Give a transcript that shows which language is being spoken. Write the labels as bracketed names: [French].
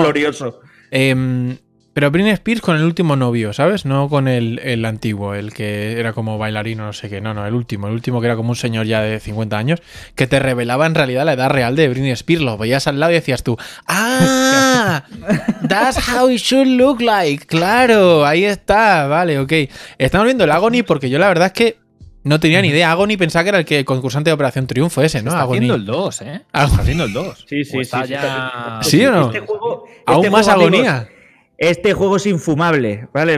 [Spanish] glorioso. Pero Britney Spears con el último novio, ¿sabes? No con el antiguo, el que era como bailarín o no sé qué. No, el último que era como un señor ya de 50 años que te revelaba en realidad la edad real de Britney Spears. Lo veías al lado y decías tú, ¡ah! [English] That's how it should look like. [Spanish] ¡Claro! Ahí está. Vale, ok. Estamos viendo el Agony porque yo la verdad es que no tenía ni idea. Agony pensaba que era el que concursante de Operación Triunfo ese, ¿no? Se está Agony. Haciendo el 2, ¿eh? Agony. Está haciendo el 2. ¿Sí o no? Aún más agonía. Este juego es infumable, ¿vale?